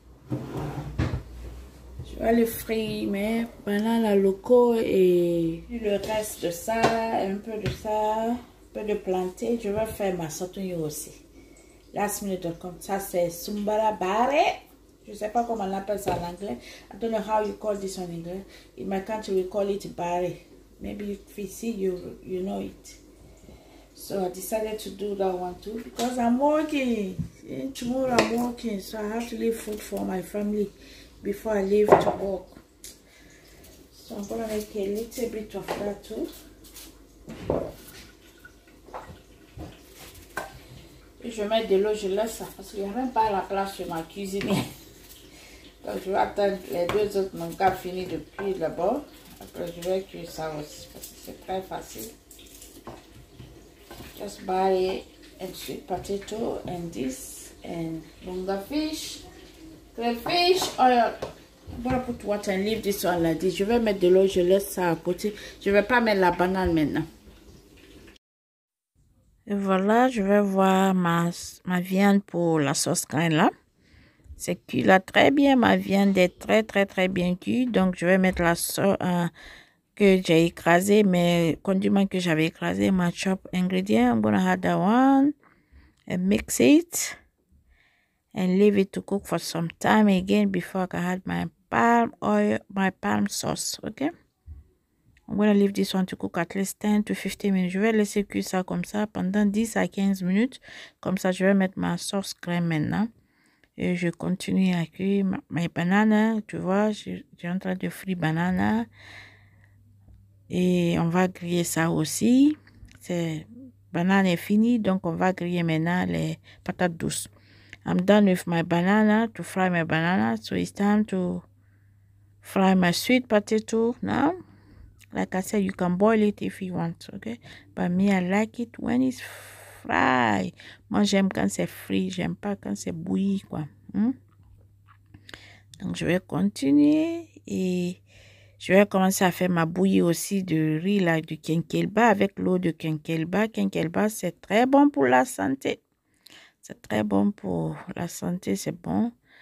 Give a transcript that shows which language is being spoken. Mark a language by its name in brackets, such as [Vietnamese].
[French] Je vais le frire, mais pendant la loco et le reste de ça, un peu de ça, un peu de planté, je vais faire ma sautouille aussi. [English] Last minute, [French] comme ça, c'est sumbala bare. Je ne sais pas comment on appelle ça en anglais. [English] I don't know how you call this in English. In my country, we call it bare. Maybe if you see, you know it. So I decided to do that one too because I'm working. Tomorrow I'm working, so I have to leave food for my family before I leave to work. So I'm gonna make a little bit of that too. [French] Et je mets de l'eau, je laisse ça parce qu'il n'y a même pas la place sur ma cuisine. Donc je vais attendre les deux autres, mon gars fini de cuire d'abord. Après je vais cuire ça aussi parce que c'est très facile. [English] Just buy a sweet potato and this and bunga fish, crayfish oil. I'm gonna put water and leave this one like this. [French] Je vais mettre de l'eau, je laisse ça à côté. Je vais pas mettre la banane maintenant. Et voilà, je vais voir ma viande pour la sauce crème là. C'est cuit là très bien, ma viande est très très très bien cuite. Donc je vais mettre la sauce. Que j'ai écrasé mes condiments que j'avais écrasé, ma [English] chop ingredient. I'm gonna add that one and mix it and leave it to cook for some time again before I add my palm oil, my palm sauce. Okay, I'm gonna leave this one to cook at least 10 to 15 minutes. [French] Je vais laisser cuire ça comme ça pendant 10 à 15 minutes. Comme ça, je vais mettre ma sauce crème maintenant et je continue à cuire mes bananes. Tu vois, j'ai en train de frire banana. Et on va griller ça aussi. C'est banane est finie, donc on va griller maintenant les patates douces. [English] I'm done with my banana to fry my banana. So it's time to fry my sweet potato now. Like I said, you can boil it if you want, okay? But me, I like it when it's fried. [French] Moi, j'aime quand c'est frit. J'aime pas quand c'est bouilli, quoi. Donc, je vais continuer et je vais commencer à faire ma bouillie aussi de riz là, du quinquelba avec l'eau de quinquelba. Quinquelba, c'est très bon pour la santé. C'est très bon pour la santé, c'est bon.